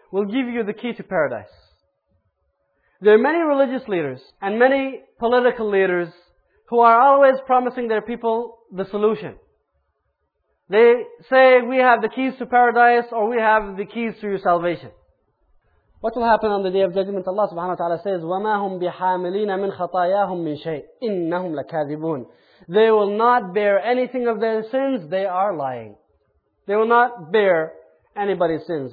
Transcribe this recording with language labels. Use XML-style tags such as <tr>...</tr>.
<en>We'll give you the key to paradise. There are many religious leaders and many political leaders who are always promising their people the solution. They say, we have the keys to paradise or we have the keys to your salvation. What will happen on the Day of Judgment? Allah subhanahu wa ta'ala says,</en> <ar>وَمَا هُمْ بِحَامِلِينَ مِنْ خَطَايَاهُمْ مِنْ شَيْءٍ إِنَّهُمْ لَكَاذِبُونَ.</ar> <en>They will not bear anything of their sins, they are lying. They will not bear anybody's sins.</en>